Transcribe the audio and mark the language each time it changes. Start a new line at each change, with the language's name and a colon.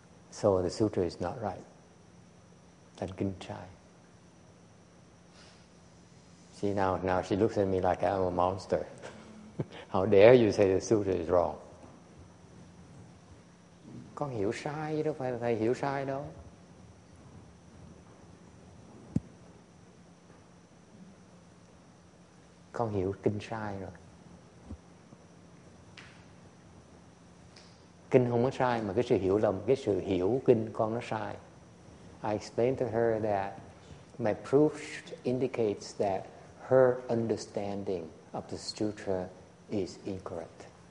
English: So the sutra is not right. I didn't try. See, now she looks at me like I'm a monster. How dare you say the sutra is wrong?
Vietnamese: Con hiểu sai đâu, phải là thầy hiểu sai đâu. Con hiểu kinh sai rồi. Kinh không có sai, mà cái sự hiểu lầm, cái sự hiểu kinh con nó sai.
English: I explained to her that my proof indicates that her understanding of the sutra is incorrect.